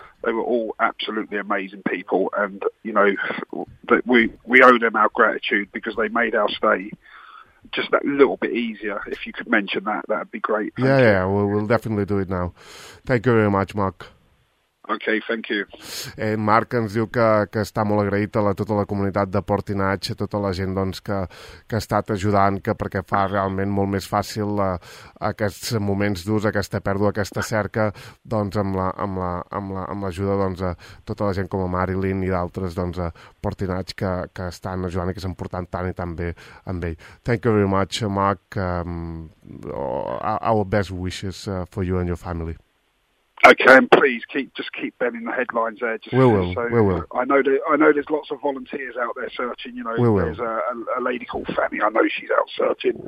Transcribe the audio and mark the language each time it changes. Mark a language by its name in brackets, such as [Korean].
[English] They were all absolutely amazing people, and you know, we owe them our gratitude because they made our stay just that little bit easier. If you could mention that would be great. Yeah, we'll definitely do it now. Thank you very much, Mark. Okay, thank you. [Catalan] Marc ens diu que està molt agraït a tota la comunitat de Portinatge, a tota la gent doncs, que ha estat ajudant, que perquè fa realment molt més fàcil aquests moments durs, aquesta pèrdua, aquesta cerca, doncs amb l'ajuda doncs, a tota la gent com a Marilyn i d'altres doncs, a Portinatge que estan ajudant i que s'han portat tant i tan bé amb ell. [English] Thank you very much, Marc. Our best wishes for you and your family. Okay, and please keep Ben in the headlines there. We will. I know there's lots of volunteers out there searching. You know, we will. There's a lady called Fanny. I know she's out searching.